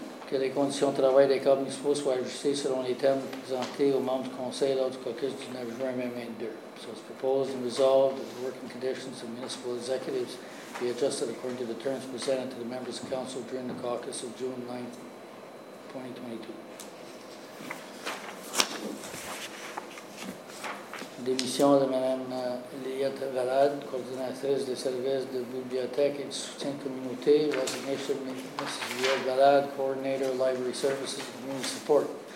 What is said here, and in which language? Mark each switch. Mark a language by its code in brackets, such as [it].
[fr] Que les conditions de travail des cadres municipaux soient ajustées selon les termes présentés aux membres du conseil lors du caucus du 9 juin 2022. [en] So it's proposed and resolved that the working conditions of municipal executives be adjusted according to the terms presented to the members of council during the caucus of June 9, 2022. [fr] Démission de Mme Liette Valade, coordinatrice des services de bibliothèque et de soutien de communauté. [en] Resignation de Mrs. Liette Valade, coordinator of library services and community support.